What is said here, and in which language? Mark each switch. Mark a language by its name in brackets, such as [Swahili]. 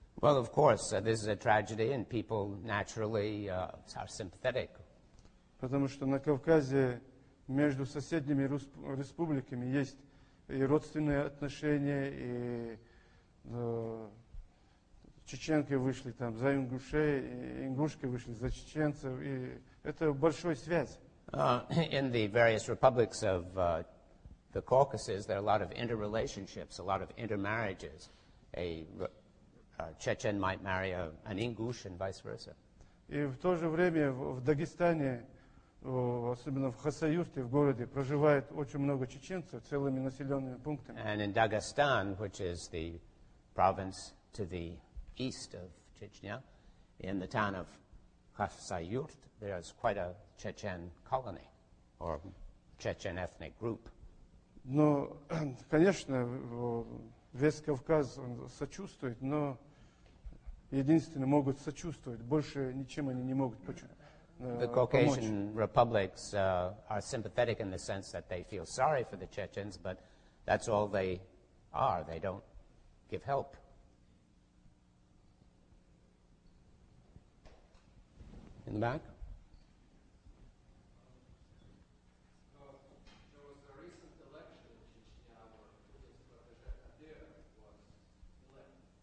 [English] Well, of course, this is a tragedy, and people naturally are sympathetic. [Russian] Потому что на Кавказе между соседними республиками есть и родственные отношения, и чеченки вышли там за ингушей, и ингушки вышли за чеченцев, и это большая связь. [English] In the various republics of the Caucasus, there are a lot of interrelationships, a lot of intermarriages. A Chechen might marry an Ingush and vice versa. [Russian] И в то же время в Дагестане, особенно в Хасаюрте, в городе, проживает очень много чеченцев целыми населенными пунктами. [English] And in Dagestan, which is the province to the east of Chechnya, in the town of Khassayurt, there is quite a Chechen colony or Chechen ethnic group. [Russian] Но, конечно, весь Кавказ сочувствует, но единственное, могут сочувствовать, больше ничем они не могут помочь. [English] The Caucasian republics are sympathetic in the sense that they feel sorry for the Chechens, but that's all they are. They don't give help. In the back. There was a recent election in Chechnya where his protege Kadyrov was elected.